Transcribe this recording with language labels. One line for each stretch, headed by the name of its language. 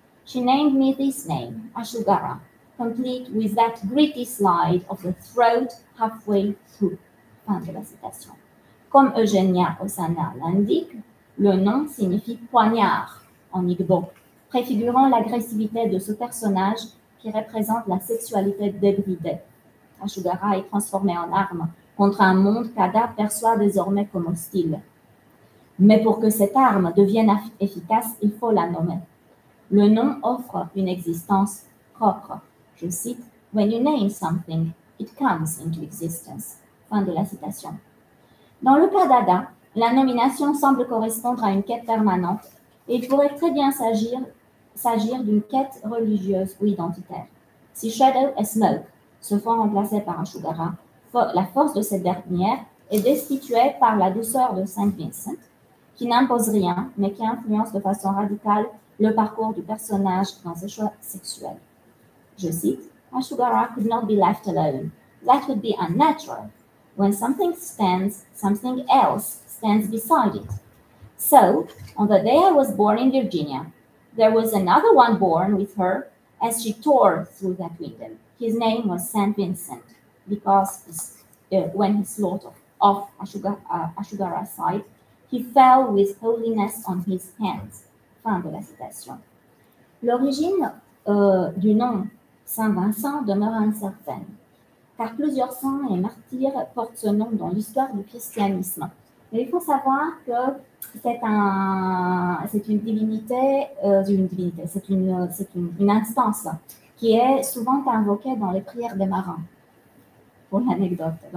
English: She named me this name, Ashugara, complete with that gritty slide of the throat halfway through.
French: Fin de la citation. Comme Eugenia Osana l'indique, le nom signifie poignard en Igbo, préfigurant l'agressivité de ce personnage qui représente la sexualité débridée. Ashugara est transformé en arme contre un monde qu'Ada perçoit désormais comme hostile. Mais pour que cette arme devienne efficace, il faut la nommer. Le nom offre une existence propre. Je cite, «
English: When you name something, it comes into existence.
French: » Fin de la citation. Dans le cas d'Ada, la nomination semble correspondre à une quête permanente et il pourrait très bien s'agir s'agir d'une quête religieuse ou identitaire. Si Shadow et Smoke se font remplacer par Ashugara, la force de cette dernière est destituée par la douceur de Saint Vincent, qui n'impose rien, mais qui influence de façon radicale le parcours du personnage dans ses choix sexuels. Je cite,
English: « Ashugara could not be left alone. That would be unnatural. When something stands, something else stands beside it. So, on the day I was born in Virginia, there was another one born with her as she tore through that window. His name was Saint Vincent, because when he slaughtered off Ashugara's side, he fell with holiness on his hands. »
French: Fin de la citation. L'origine du nom Saint Vincent demeure incertaine, car plusieurs saints et martyrs portent ce nom dans l'histoire du christianisme. Mais il faut savoir que c'est une instance qui est souvent invoquée dans les prières des marins, pour l'anecdote.